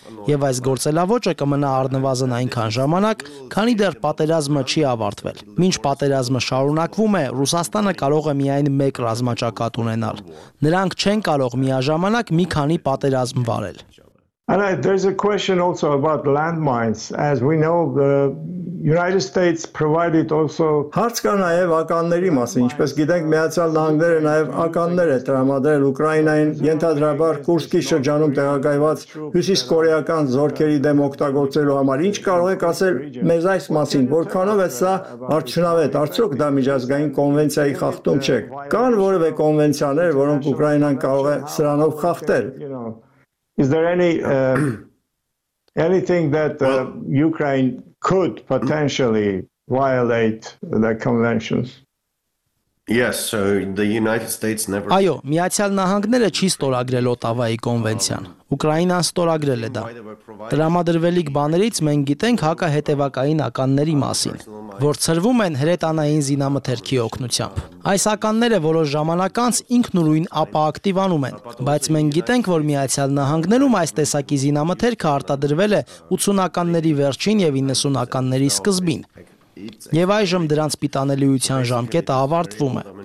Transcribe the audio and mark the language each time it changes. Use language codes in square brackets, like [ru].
[hy] Եվ այս գործելավոճը կմնա առնվազն այնքան ժամանակ, քանի դեռ պատերազմը չի ավարտվել։ Մինչ պատերազմը շարունակվում է, Ռուսաստանը կարող է միայն մեկ ռազմաճակատ նպակատ ունենալ։ Նրանք չեն կարող միաժամանակ մի քանի պատերազմ վարել։ [en] And there's a question also about landmines. As we know, the United States provided also. [hy] Հարց կա նաև ականների մասին, ինչպես գիտենք, Միացյալ Նահանգները նաև ականներ է տրամադրել Ուկրաինային ենթադրաբար Կուրսկի շրջանում տեղակայված հյուսիսկորեական զորքերի դեմ օգտագործելու համար։ Ինչ կարող եք ասել մեզ այս մասին, որքանով է սա արդյունավետ, արդյոք դա միջազգային կոնվենցիայի խախտում չէ։ Կան որևէ կոնվենցիաներ, որոնք Ուկրաինան կարող է սրանով խախտել։ [en] Is there any anything that Ukraine could potentially violate the conventions? Yes, so the United States never. [hy] Այո, Միացյալ Նահանգները չի ստորագրել Օտավայի կոնվենցիան։ Ուկրաինան ստորագրել է դա։ Տրամադրվելիք բաներից մենք գիտենք հակահետևակային ականների մասին, որ ցրվում են հրետանային զինամթերքի օգնությամբ։ Այս ականները որոշ ժամանակ անց ինքնուրույն ապաակտիվանում են, բայց մենք գիտենք, որ Միացյալ Նահանգներում այս տեսակի զինամթերքը արտադրվել է 80-ականների վերջին եւ 90-ականների սկզբին։ Եվ այժմ դրանց պիտանելիության ժամկետը ավարտվում է։